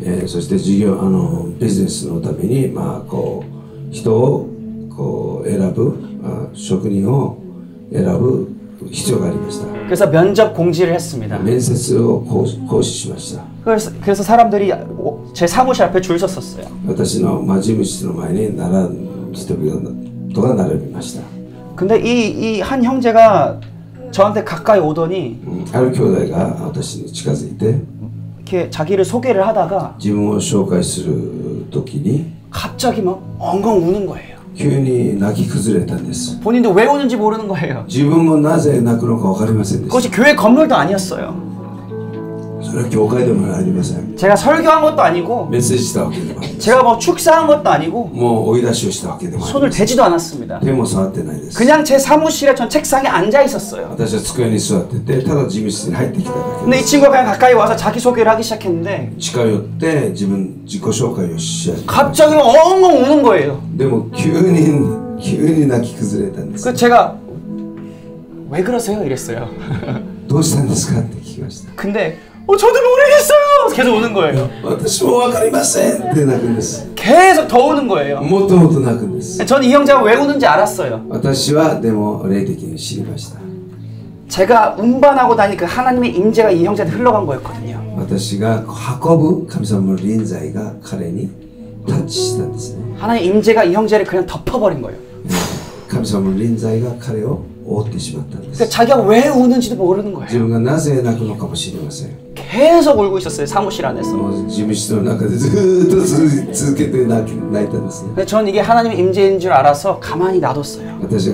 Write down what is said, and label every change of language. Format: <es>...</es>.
<ko>예, 그래서 직원, 비즈니스</ko> <ja>のために、まあこう人を選ぶ、職人を選ぶ必要がありました。</ja> <ko>그래서 면접 공지를 했습니다.</ko> <ja>面接を公示しました。</ja> <ko>그래서 사람들이 제 사무실 앞에 줄 섰었어요.</ko> <ja>私の事務室の前に並んでる人が並びました。</ja> <ko>근데 이 한 형제가 저한테 가까이 오더니</ko> <ja>ある兄弟が私に近づいて</ja> <ko>자기를 소개를 하다가</ko> <ja>自分を紹介する時に</ja> <ko>갑자기 막 엉엉 우는 거예요.</ko> <ja>急に泣き崩れたんです。</ja> <ko>본인도 왜 우는지 모르는 거예요.</ko> <ja>自分もなぜ泣くのか分かりませんでした。</ja> <ko>그것이 교회 건물도 아니었어요.</ko> <ja>それは教会でもありません。</ja> <ko>제가 설교한 것도 아니고</ko> <ja>メッセージしたわけでもありません。</ja> <ko>제가 뭐 축사한 것도 아니고</ko> <ja>もう追い出しをしたわけでもありません。</ja> <ko>손을 대지도 않았습니다.</ko> <ja>手も触ってないです。</ja> <ko>그냥 제 사무실에 전 책상에 앉아 있었어요.</ko> <ja>私は机に座ってて、ただ事務室に入ってきただけです。</ja> <ko>근데 이 친구가 그냥 가까이 와서 자기 소개를 하기 시작했는데</ko> <ja>近寄って自分自己紹介をし始めました。</ja> <ko>갑자기 엉엉 우는 거예요.</ko> <ja>でも急に泣き崩れたんです。</ja> <ko>제가 왜 그러세요? 이랬어요.</ko> <ja>どうしたんですか?って聞きました。</ja> <ko>근데 저도 모르겠어요. 계속 우는 거예요.</ko> <ja>私もわかりません。で泣くんです。</ja> <ko>계속 더 우는 거예요.</ko> <ja>もっともっと泣くんです。</ja> <ko>저는 이 형제가 왜 우는지 알았어요.</ko> <ja>私はでも霊的に知りました。</ja> <ko>제가 운반하고 다니니까 하나님의 임재가 이 형제한테 흘러간 거였거든요.</ko> <ja>私が運ぶ神様の臨在が彼にタッチしたんです。</ja> <ko>하나님의 임재가 이 형제를 그냥 덮어버린 거예요.</ko> <ja>神様の臨在が彼を 覆ってしまったんです。</ja> <ko>자기가 왜 우는지도 모르는 거예요.</ko> <ja>自分が なぜ泣くのかも知りません。</ja> <ko>계속 울고 있었어요, 사무실 안에서.</ko> <ja>事務室の中でずっと続けて泣いたんです。</ja> <ko>저는 이게 하나님의 임재인 줄 알아서 가만히 놔뒀어요.</ko>